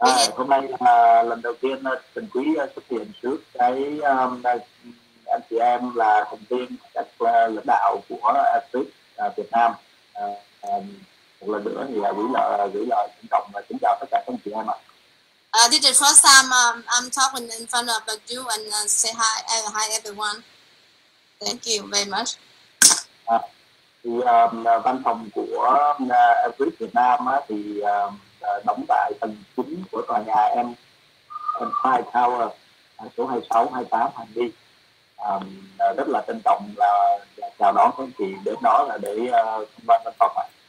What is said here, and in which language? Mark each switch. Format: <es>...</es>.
<vi>Hôm nay là lần đầu tiên Trần Quý xuất hiện trước cái anh chị em là thành viên các lãnh đạo của APEC Việt Nam. Một lần nữa thì gửi lời trân trọng và kính chào tất cả các anh chị em ạ.</vi> <en>This is the first time I'm talking in front of you and say hi everyone. Thank you very much.</en> <vi>Văn phòng của APEC Việt Nam thì đóng tại tầng 9 của tòa nhà Empire Tower, số 26-28 Hàng Đi. Rất là trân trọng là chào đón các anh chị đến đó là để tham quan văn phòng ạ.</vi>